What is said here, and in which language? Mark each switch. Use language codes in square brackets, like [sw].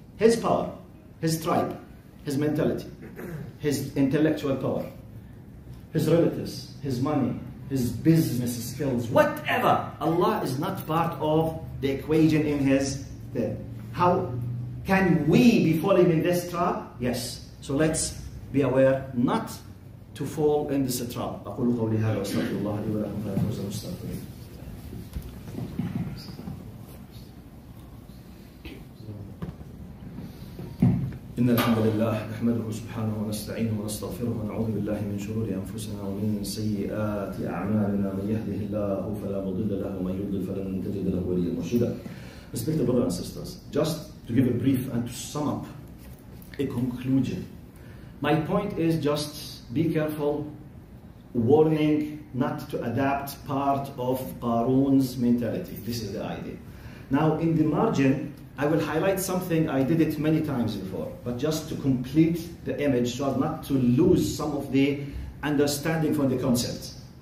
[en] His power, his tribe, his mentality, his intellectual power, his relatives, his money, his business skills, whatever. Allah is not part of the equation in his thing. How can we be falling in this trap? Yes. So let's be aware not to fall in this trap. [ar] أقول قولي هذا وأستغفر الله لي ولكم فلا تفوز المستغفرين. إن الحمد لله نحمده سبحانه ونستعينه ونستغفره ونعوذ بالله من شرور أنفسنا ومن سيئات أعمالنا من يهده الله فلا مضل له ومن يضلل فلن تجد له وليا مرشدا. [en] Respected brothers and sisters, just to give a brief and to sum up a conclusion, my point is just be careful, warning not to adapt part of Qarun's mentality. This is the idea. Now in the margin, I will highlight something, I did it many times before, but just to complete the image so as not to lose some of the understanding from the concept.